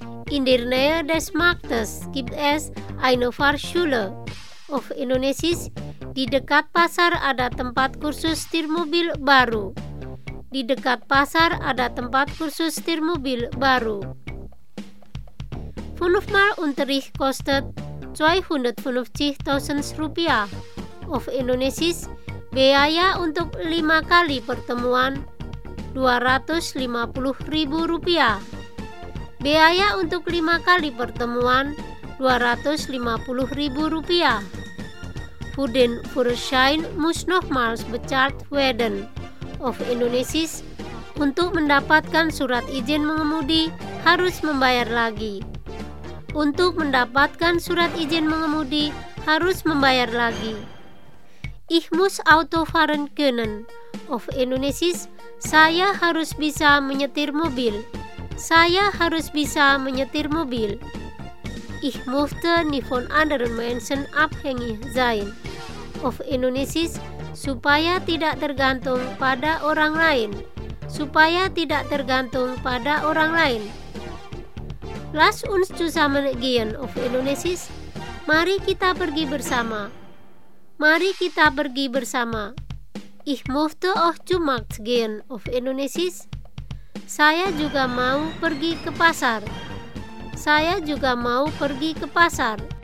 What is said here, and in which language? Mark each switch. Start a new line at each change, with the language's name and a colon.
German: In der Nähe des Marktes gibt es eine Fahrschule auf Indonesisch.
Indonesian: Di dekat pasar ada tempat kursus Tiermobil baru. Di dekat pasar ada tempat kursus Tiermobil baru.
German: fünfmal Unterricht kostet 250.000 Rupiah.
English: Of Indonesia,
Indonesian: biaya untuk 5 kali pertemuan 250.000 Rupiah. Biaya untuk 5 kali pertemuan 250.000 Rupiah.
German: Für den Führerschein muss nochmals bezahlt werden.
English: Of Indonesia,
Indonesian: untuk mendapatkan surat izin mengemudi harus membayar lagi. Untuk mendapatkan surat izin mengemudi harus membayar lagi.
German: Ich muss Auto fahren können.
English: Of Indonesia,
Indonesian: saya harus bisa menyetir mobil. Saya harus bisa menyetir mobil.
German: Ich möchte nicht von anderen Menschen abhängig sein.
English: Of Indonesia,
Indonesian: supaya tidak tergantung pada orang lain. Supaya tidak tergantung pada orang lain.
German: Lass uns zusammen gehen.
English: Of Indonesia,
Indonesian: mari kita pergi bersama. Mari kita pergi bersama.
German: Ich möchte auch zum Markt gehen.
English: Of Indonesia,
Indonesian: saya juga mau pergi ke pasar. Saya juga mau pergi ke pasar.